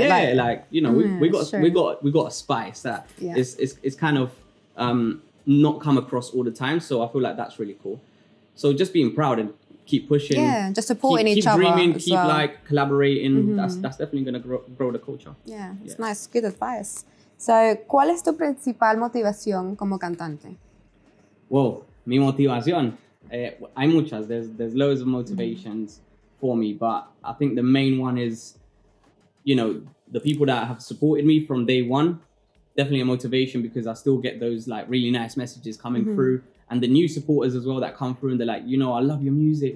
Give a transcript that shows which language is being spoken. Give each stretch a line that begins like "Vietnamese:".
English: Yeah, like you know, we got a spice that is kind of not come across all the time. So I feel like that's really cool. So just being proud and keep pushing. Yeah, just supporting each other, dreaming, collaborating. That's definitely going to grow the culture. Yeah, it's nice. Good advice.
Spanish: So, ¿cuál es tu principal motivación como cantante? Well, mi motivación. Hay muchas.
English: There's loads of motivations for me. But I think the main one is, you know, the people that have supported me from day one. Definitely a motivation because I still get those, like, really nice messages coming through. And the new supporters as well that come through and they're like, you know, I love your music.